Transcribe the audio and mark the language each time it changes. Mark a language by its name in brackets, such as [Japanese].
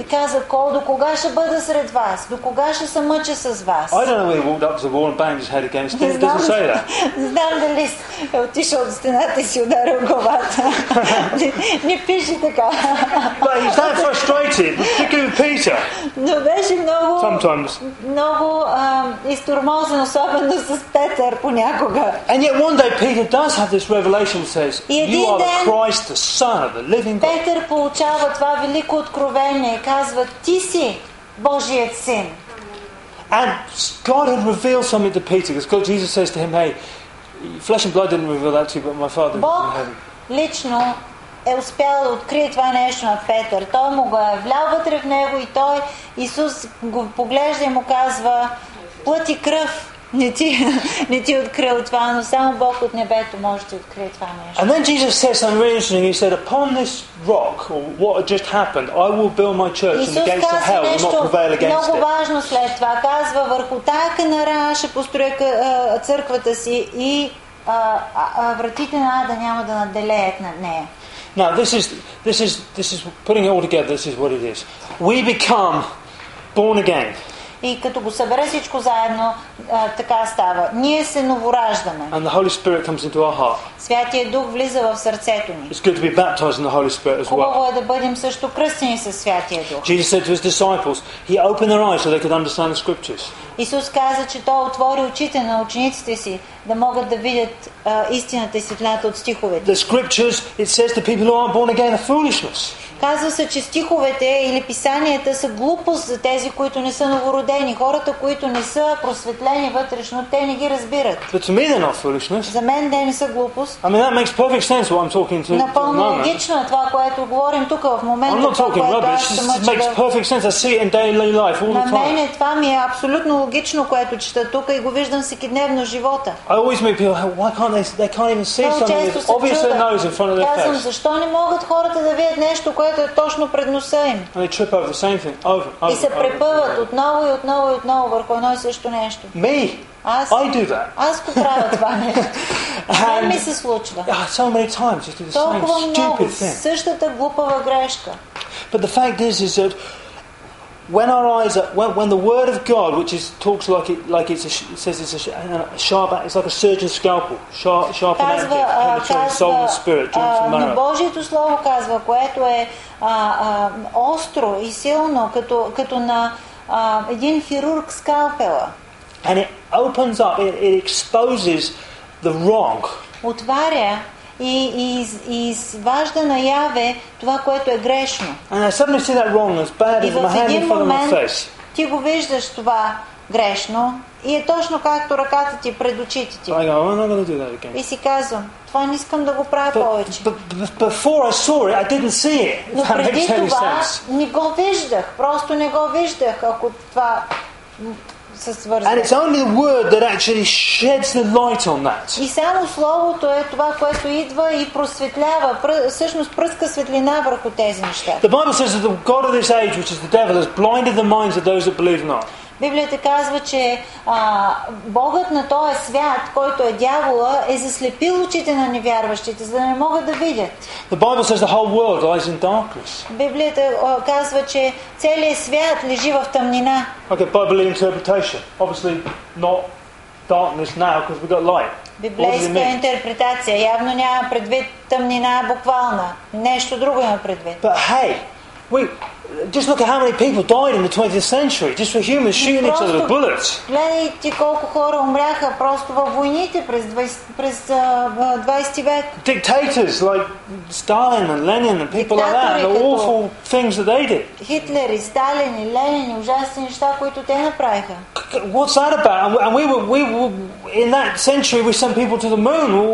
[Bulgarian] И каза, до кога ще бъда сред вас? До кога ще се мъча с вас? [English] I don't know if he walked up to the wall and banged his head against it. [Bulgarian] Не знам дали е отишъл от стената и си ударил главата. Не пише така. [English] But he's that frustrated, particularly Peter. [Bulgarian] Но беше много [English] sometimes. [Bulgarian] Много изтормозен, особено с Петър понякога. [English] And yet one day Peter does have this revelation and says, you are the Christ. The Son of the living God. [Bulgarian] Петър получава това велико откровение и казва, ти си Божият син. [English] And God had revealed something to Peter, because God Jesus says to him, hey, flesh and blood didn't reveal that to you, but my Father [Bulgarian] Бог [English] is in heaven. [Bulgarian] Лично е успял да открие това нещо на Петър. Той му го е влял вътре в него и той, Исус го поглежда и му казва, плът и кръв. Не ти открил това, но само Бог от небето може да открие това нещо. [English] And then Jesus says something really interesting. He said, upon this rock, or what had just happened, I will build my church and the gates of hell will not prevail against it. [Bulgarian] Много важно след това. Казва, върху тая канара ще построя църквата си и вратите на ада няма да наделеят над нея. [English] Now this is putting it all together, this is what it is. We become born again. [Bulgarian] И като го събере всичко заедно, така става. Ние се новораждаме. [English] And the Holy Spirit comes into our heart. [Bulgarian] Святия Дух влиза в сърцето ни. [English] It's good to be baptized in the Holy Spirit as well. [Bulgarian] Хубаво е да бъдем също кръстени със Святия Дух. [English] Jesus said to his disciples, he opened their eyes so they could understand the scriptures. [Bulgarian] Исус каза, че той отвори очите на учениците си, да могат да видят истината и светлината от стиховете. [English] The scriptures, it says the people who aren't born again are foolishness. [Bulgarian] Казва се, че стиховете или писанията са глупост за тези, които не са новородени. Хората, които не са просветлени вътрешно, те не ги разбират. [English] But to me they're not foolishness. [Bulgarian] За мен те не са глупост. [English] I mean, that makes perfect sense what I'm talking to. [Bulgarian] Напълно логично е това, което говорим тук в момента. [English] I'm not talking rubbish. It makes perfect sense. I see it in daily life all the time. [Bulgarian] На мен това ми е абсолютно логично, което чета тук и го виждам всекидневно в живота. [English] I always meet people, why can't they can't even see something that's obvious their nose in front of their face. [Bulgarian] Казвам, защо не могат хората да видят нещо, което е точно пред носа им? [English] They trip over the same thing, over. [Bulgarian] И се препъват отново и отново и отново върху едно и също нещо. [English] Me? I do that. [Bulgarian] Аз го правя това нещо. Не ми се случва. [English] So many times you do the same stupid thing. [Bulgarian] Същата глупава грешка. [English] But the fact is that when our eyes are, when the word of God, which is talks like it, like it's a, says it's a sharp, it's like a surgeon's scalpel, sharp and edged, penetrating soul and spirit, joints and marrow. [Bulgarian] Но Божието слово казва, което е остро и силно, като на един хирург скалпела. [English] And it opens up, it exposes the wrong. [Bulgarian] Отваря и изважда наяве това, което е грешно. [English] And I suddenly see that wrong, as bad as my hand in front of my face. [Bulgarian] Ти го виждаш това грешно и е точно както ръката ти пред очите ти. [English] I go, I'm not gonna do that again. [Bulgarian] И си казвам, това не искам да го правя повече. [English] Before I saw it, I didn't see it. [Bulgarian] Но преди това не го виждах, просто не го виждах, ако това се свързва. [English] And it's only the word that actually sheds the light on that. [Bulgarian] И само словото е това, което идва и просветлява, всъщност пръска светлина върху тези неща. [English] The Bible says that the god of this age, which is the devil, has blinded the minds of those that believe not. [Bulgarian] Библията казва, че богът на този свят, който е дявола, е заслепил очите на невярващите, за да не могат да видят. [English] The Bible says the whole world lies in darkness. [Bulgarian] Библията казва, че целият свят лежи в тъмнина. [English] Okay, Bible interpretation. Obviously not darkness now, because we got light. [Bulgarian] Библейска интерпретация. Явно няма предвид тъмнина буквална. Нещо друго има предвид. [English] But hey, we just look at how many people died in the 20th century just for humans shooting each other with bullets. [Bulgarian] Гледайте колко хора умряха просто във войните през 20 век. [English] Dictators like Stalin and Lenin and people like that, the awful things that they did. [Bulgarian] Хитлер и Сталин и Ленин, ужасни неща, които те направиха. [English] What's that about? And we were in that century we sent people to the moon.